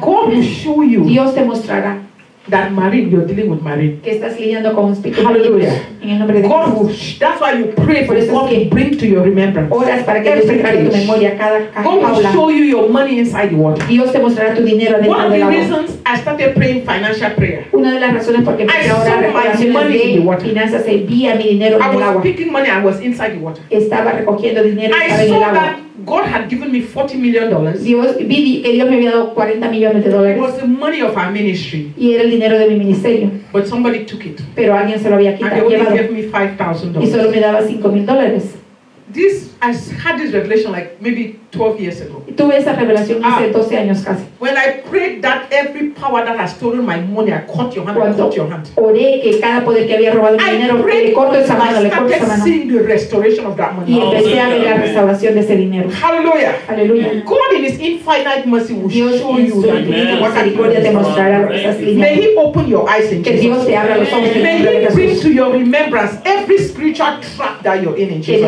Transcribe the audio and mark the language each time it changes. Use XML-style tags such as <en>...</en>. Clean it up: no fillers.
<en>God will show you.</en> <es>Dios te mostrará.</es> <en>That marine, you're dealing with marine.</en> <es>Que estás lidiando con espíritu. Hallelujah. En el nombre de</es> <en>God will, that's why you pray for God to bring to your remembrance.</en> <es>Oras para que</es> <en>every</en> <es>Dios tu memoria cada</es> <en>God will show you your money inside the water.</en> <es>Dios te mostrará tu dinero dentro</es> <en>One of the</en> <es>del agua.</es> <en>Reasons I started praying financial prayer.</en> <es>Una de las razones porque empecé a orar</es> <en>money in the water.</en> <es>Finanzas y vi a mi dinero en</es> <en>I was</en> <es>el agua.</es> <en>Picking money. I was inside the water.</en> <es>Estaba recogiendo dinero</es> <en>I</en> <es>en el agua.</es> <en>God had given me $40 million.</en> <es>Dios, Dios me había dado 40 millones de dólares.</es> <en>It was the money of our ministry.</en> <es>Y era el dinero de mi ministerio.</es> <en>But somebody took it.</en> <es>Pero alguien se lo había quitado.</es> <en>And they only gave me $5,000.</en> <es>Y solo me daba $5,000.</es> <en>This I had this revelation like maybe 12 years ago.</en> <es>Tuve esa revelación hace 12 años casi.</es> <en>When I prayed that every power that has stolen my money, I cut your hand.</en> <es>Oré que cada poder que había robado mi dinero, le corto esa mano, le corto esa mano.</es> <en>Seeing the restoration of that money.</en> <es>Y empecé a ver la restauración de ese dinero.</es> <en>Hallelujah.</en> <es>Aleluya.</es> <en>God in His infinite mercy will</en> <es>Dios</es> <en>show you that.</en> <es>Dios en su misericordia te mostrará lo que estás pidiendo.</es> <en>May He open your eyes in</en> <es>que Dios te abra los ojos.</es> <en>May He bring to your remembrance every spiritual trap that you're in Jesus.</en>